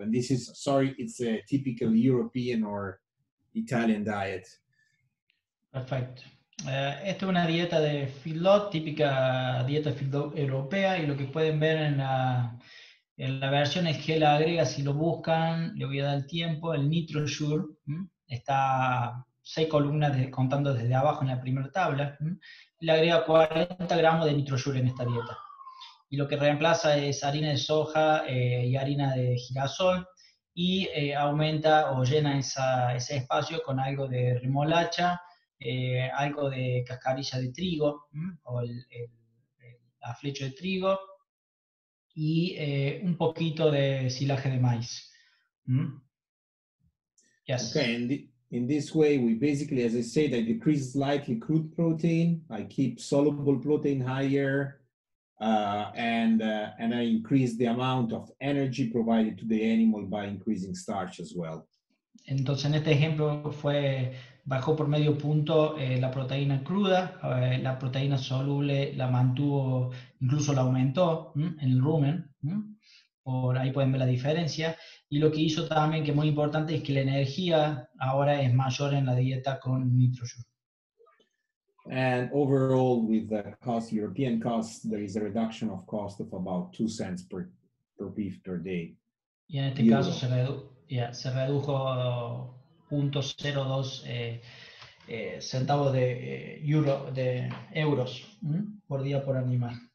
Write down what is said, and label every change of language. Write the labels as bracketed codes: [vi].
[en] And this is, it's a typical European or Italian diet. [es] Perfecto. Esta es una dieta de feedlot, típica dieta feedlot europea, y lo que pueden ver en la versión es que la agrega, si lo buscan, le voy a dar el tiempo, el NitroSure, está 6 columnas contando desde abajo en la primera tabla, le agrega 40 gramos de NitroSure en esta dieta. Y lo que reemplaza es harina de soja y harina de girasol, y aumenta o llena ese espacio con algo de remolacha, algo de cascarilla de trigo, o la flecha de trigo, y un poquito de silaje de maíz. [en] Yes. Okay, in this way, we basically, as I said, I decrease slightly crude protein, I keep soluble protein higher, and I increase the amount of energy provided to the animal by increasing starch as well. [es] Entonces, en este ejemplo fue bajó por medio punto la proteína cruda, la proteína soluble la mantuvo, incluso la aumentó en el rumen. Por ahí pueden ver la diferencia. Y lo que hizo también, que es muy importante, es que la energía ahora es mayor en la dieta con NitroSure. [en] And overall, with the cost, European cost, there is a reduction of cost of about 2 cents per beef per day. [es] Y en este caso se redujo 0.02 centavos de euros por día por animal.